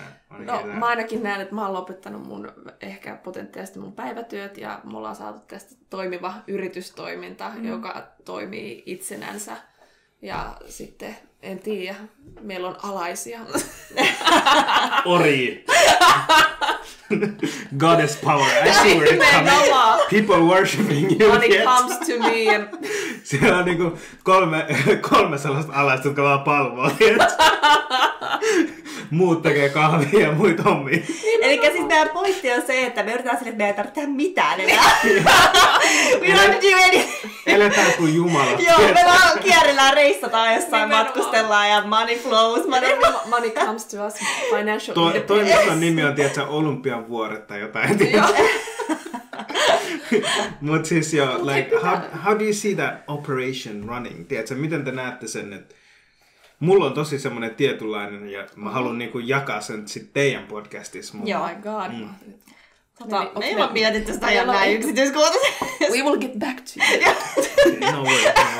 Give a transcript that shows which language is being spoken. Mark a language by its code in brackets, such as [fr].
[fi] No mä ainakin näen, että mä oon lopettanut mun ehkä potentiaalisesti mun päivätyöt ja me ollaan saatu tästä toimiva yritystoiminta, joka toimii itsenänsä. Ja sitten, en tiedä, meillä on alaisia. Ori! [en] Goddess power, I see where it's coming. People worshiping you. When it comes to me. And... [fi] Siellä on niinku kolme sellaista alaista, jotka vaan palvoo. Muut tekee kahvia ja muut hommia. Eli siis meidän pointti on se, että me yritetään sille, että me ei tarvitse tehdä mitään enää. [en] We don't do anything. [fi] Eletään kuin jumala. Joo, me vaan kierrellään, reissataan jossain, matkustellaan ja [en] money flows. Money comes to us. Financial. [fi] Toimiston nimi on, tiedätkö, Olympian vuoret tai jotain. Mutta siis joo, [en] like, how do you see that operation running? [fi] Tiedätkö, miten te näette sen, että mulla on tosi semmoinen tietynlainen, ja mä haluan niinku jakaa sen sit teidän podcastissa. Mutta... [en] Oh my god. Mm. [fi] Me ei vaan mietitty sitä ihan näin yksityiskohtaisesti. [en] We will get back to you. No way.